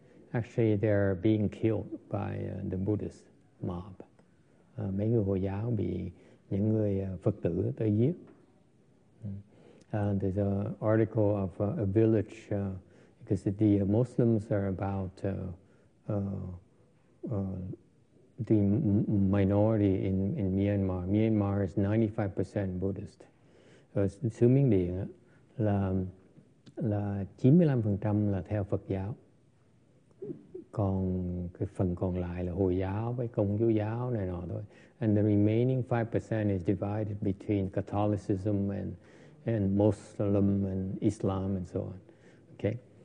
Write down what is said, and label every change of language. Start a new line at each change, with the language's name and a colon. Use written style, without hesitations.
English: Actually, they're being killed by the Buddhist mob.
Vietnamese: Mấy người Hồi giáo bị những người Phật tử tới giết.
English: There's an article of a village because the Muslims are about the minority in Myanmar. Myanmar is 95% Buddhist.
Vietnamese: Xứ Miến Điện là 95% là theo Phật giáo. Còn cái phần còn lại là Hồi giáo với Công giáo giáo này nọ thôi.
English: And the remaining 5% is divided between Catholicism and Muslim and Islam and so on. Okay.